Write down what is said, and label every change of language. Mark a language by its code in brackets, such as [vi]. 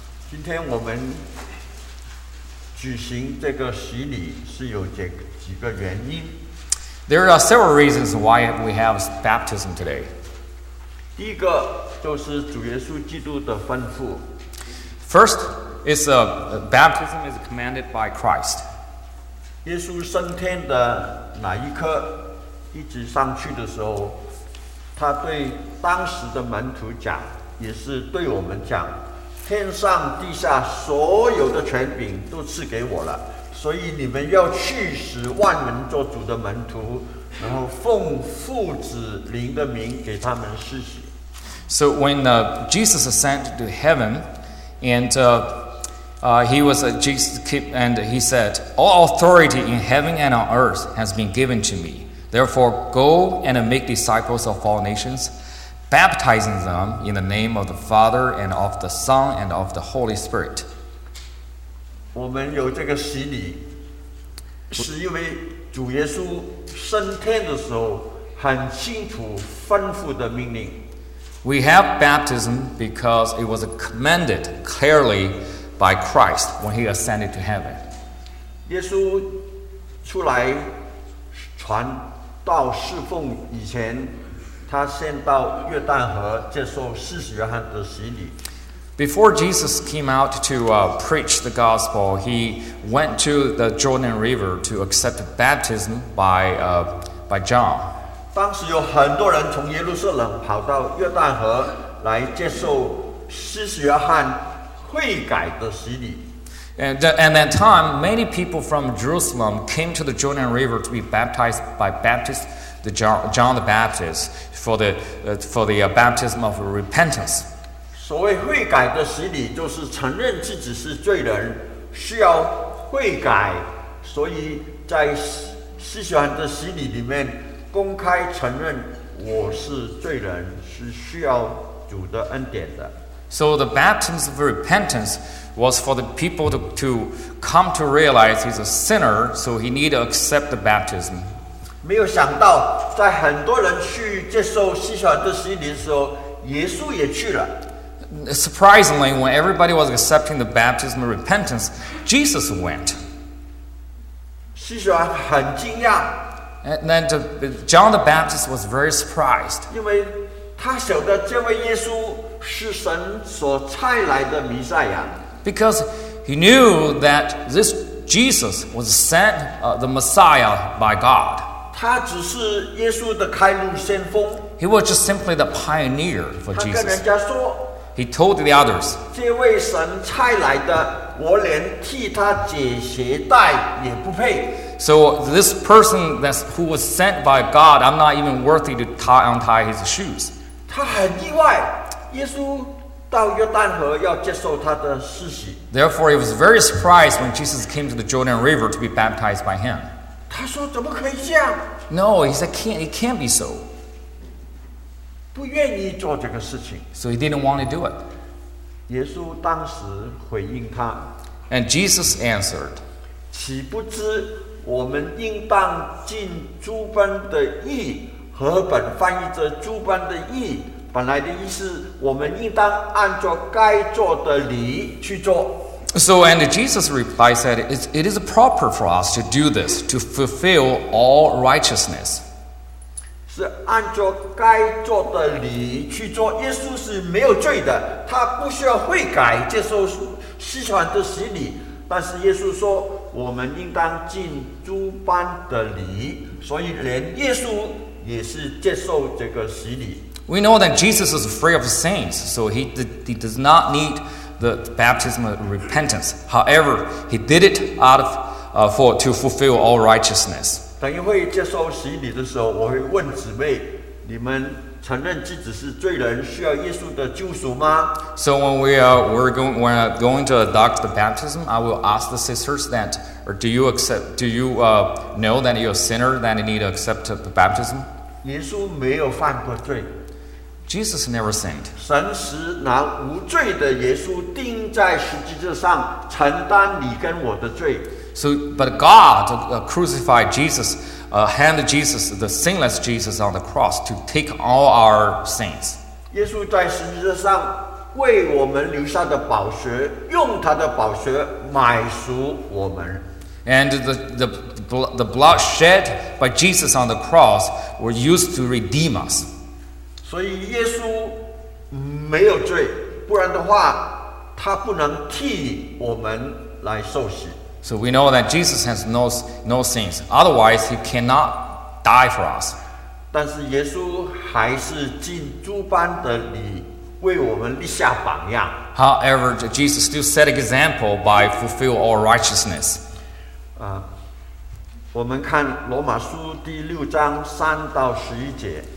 [zh] 今天我们举行这个洗礼是有几个原因。 [en] There are several reasons why we have baptism today. [zh] 第一个就是主耶稣基督的吩咐。 [en] First, it's a baptism is commanded by Christ. [zh] 耶稣升天的那一刻，一直上去的时候，他对当时的门徒讲，也是对我们讲，天上地下所有的权柄都赐给我了。所以你们要去使万民做主的门徒，然后奉父子灵的名给他们施洗。 [en] So when Jesus ascended to heaven, and he said, "All authority in heaven and on earth has been given to me. Therefore, go and make disciples of all nations, baptizing them in the name of the Father and of the Son and of the Holy Spirit." [zh] 我们有这个洗礼，是因为主耶稣升天的时候很清楚吩咐的命令。 [en] We have baptism because it was commanded clearly by Christ when he ascended to heaven. [zh] 耶稣出来传道侍奉以前，他先到约旦河接受施洗约翰的洗礼。 [en] Before Jesus came out to preach the gospel, he went to the Jordan River to accept baptism by John. [zh] 当时有很多人从耶路撒冷跑到约旦河来接受施洗约翰悔改的洗礼。 [en] And that time, many people from Jerusalem came to the Jordan River to be baptized by Baptist, John the Baptist, for the baptism of repentance. [zh] 所谓悔改的洗礼，就是承认自己是罪人，需要悔改。所以在施洗约翰的洗礼里面，公开承认我是罪人，是需要主的恩典的。 [en] So the baptism of repentance was for the people to come to realize he's a sinner, so he needs to accept the baptism. [zh] 没有想到，在很多人去接受洗小的洗礼的时候，耶稣也去了。 [en] Surprisingly, when everybody was accepting the baptism of repentance, Jesus went. [zh] 洗小很惊讶。 [en] And then John the Baptist was very surprised. [zh] 因为他晓得这位耶稣是神所差来的弥赛亚。 [en] Because he knew that this Jesus was sent, the Messiah by God. [zh] 他只是耶稣的开路先锋。 [en] He was just simply the pioneer for Jesus. [zh] 他跟人家说, [en] he told the others, [zh] 这位神差来的，我连替他解鞋带也不配。 [en] So this person who was sent by God, I'm not even worthy to untie his shoes. [zh] 他很意外，耶稣到约旦河要接受他的施洗。 [en] Therefore, he was very surprised when Jesus came to the Jordan River to be baptized by him. [zh] 他说怎么可以这样？ [en] No, he said, it can't be so. [zh] 不愿意做这个事情。 [en] So he didn't want to do it. [zh] 耶稣当时回应他。 [en] And Jesus answered, [zh] 岂不知我们应当尽诸般的义，和本翻译着诸般的义。本来的意思，我们应当按照该做的礼去做。 [en] So, and Jesus replied, said, it is proper for us to do this, to fulfill all righteousness. [zh] 是按照该做的礼去做。耶稣是没有罪的，他不需要悔改，接受西传的洗礼。但是耶稣说，我们应当尽诸般的礼，所以连耶稣也是接受这个洗礼。 [en] We know that Jesus is free of sins, so he does not need the baptism of repentance. However, he did it out of, to fulfill all righteousness. [zh] 等一会接受洗礼的时候，我会问姊妹，你们承认自己是罪人，需要耶稣的救赎吗？ [en] So when we're going to adopt the baptism, I will ask the sisters that, or do you know that you're a sinner that you need to accept the baptism? [zh] 耶稣没有犯过罪。 [en] Jesus never sinned. [zh] 神使那无罪的耶稣钉在十字架上，承担你跟我的罪。 [en] But God crucified Jesus, handed Jesus, the sinless Jesus on the cross to take all our sins. [zh] 耶稣在十字架上为我们留下的宝血，用他的宝血买赎我们。 [en] And the blood shed by Jesus on the cross were used to redeem us. [zh] 所以耶稣没有罪，不然的话，他不能替我们来受洗。 [en] So we know that Jesus has no sins. Otherwise, he cannot die for us. [zh] 但是耶稣还是尽诸般的礼，为我们立下榜样。 [en] However, Jesus still set an example by fulfill all righteousness. [zh] 我们看罗马书第六章三到十一节。